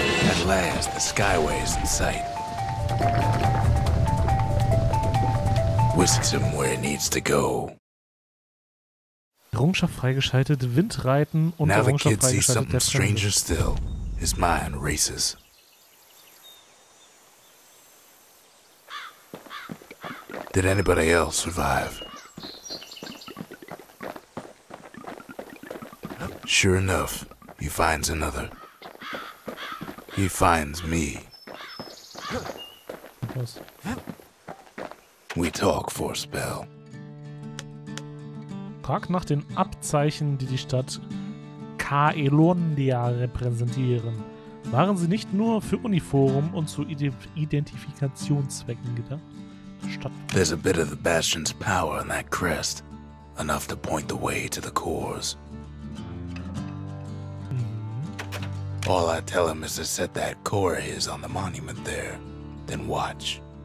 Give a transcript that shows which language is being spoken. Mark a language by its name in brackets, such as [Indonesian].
[English] At last, the skyway is in sight. Whisks him where it needs to go. [German] Errungenschaft freigeschaltet, Windreiten und Errungenschaft freigeschaltet. [English] His mind races. Did anybody else survive? Sure enough, he finds another. He finds me. We talk for a spell. [German] Frag nach den Abzeichen, die die Stadt Kaelondia repräsentieren. Waren sie nicht nur für Uniform und zu Identifikationszwecken gedacht? Stadt. [English] There's a bit of the Bastion's power in that crest. Enough to point the way to the cores. All I tell him is to set that core of his on the monument there, then watch.